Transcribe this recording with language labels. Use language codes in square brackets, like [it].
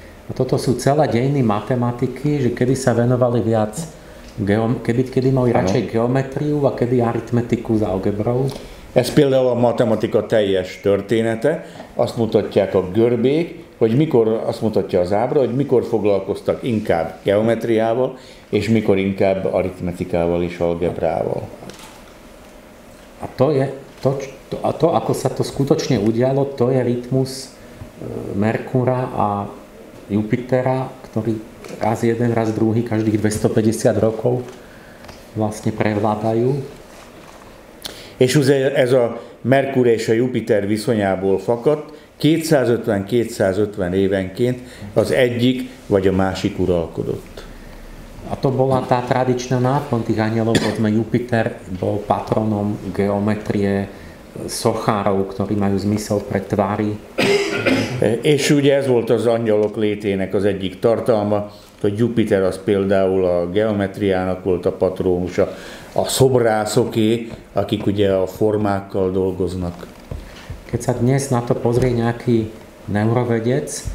[sk] A toto sú celé dejiny matematiky, že kedy sa venovali viac, kedy mali radšej geometriu a kedy aritmetiku s algebrou. [hu] Ez például a matematika teljes története. Azt mutatják a görbék, hogy mikor, azt mutatja az ábra, hogy mikor foglalkoztak inkább geometriával, és mikor inkább aritmetikával és algebrával. [sk] A to je, to ako sa to skutočne udialo, to je rytmus Merkúra a Jupitera, ktorý raz jeden, raz druhý, každých 250 rokov vlastne prevládajú. [hu] És ez a Merkur és a Jupiter viszonyából fakadt, 250-250 évenként az egyik vagy a másik uralkodott. [sk] A to bola tá tradičná nápon tých anielov, povedzme Jupiter bol patronom geometrie sochárov, ktorí majú zmysel pre tvári. [hu] És ugye ez volt az angyalok létének az egyik tartalma, hogy Jupiter az például a geometriának volt a patrónusa, a szobrászoké, akik ugye a formákkal dolgoznak. [sk] Keď sa dnes na to pozrie nejaký neurovedec,